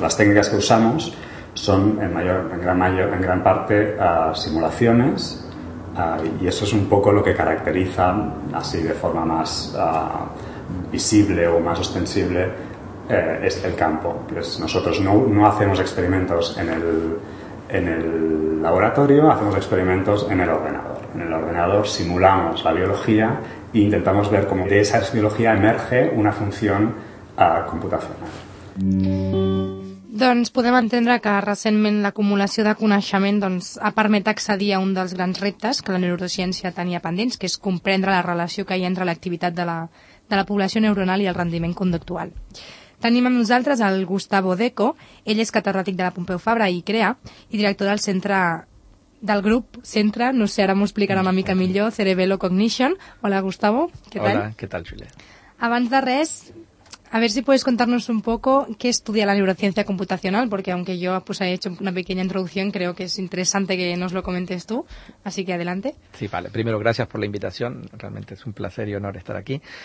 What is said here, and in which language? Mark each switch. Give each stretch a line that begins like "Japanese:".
Spanish: Las técnicas que usamos son en gran parte simulaciones, y eso es un poco lo que caracteriza, así de forma más visible o más ostensible, el campo. Pues nosotros no hacemos experimentos en el laboratorio, hacemos experimentos en el ordenador. En el ordenador simulamos la biología e intentamos ver cómo de esa biología emerge una función computacional.
Catalan: Doncs podem entendre que recentment l'acumulació de coneixement doncs, ha permet accedir a un dels grans reptes que la neurociència tenia pendents, que és comprendre la relació que hi ha entre l'activitat de la població neuronal i el rendiment conductual. Tenim amb nosaltres el Gustavo Deco. Ell és catedràtic de la Pompeu Fabra i CREA i director del centre del grup Centre, no sé, ara m'ho explicarà una mica millor, Cerebelo Cognition. Hola, Gustavo, què tal? Hola, què tal, Julia? Abans de res,
Spanish: a ver si puedes contarnos un poco qué estudia la neurociencia computacional, porque aunque yo pues haya hecho una pequeña introducción, creo que es interesante que nos lo comentes tú, así que adelante. Sí, vale. Primero, gracias por la invitación. Realmente es un placer y honor estar aquí.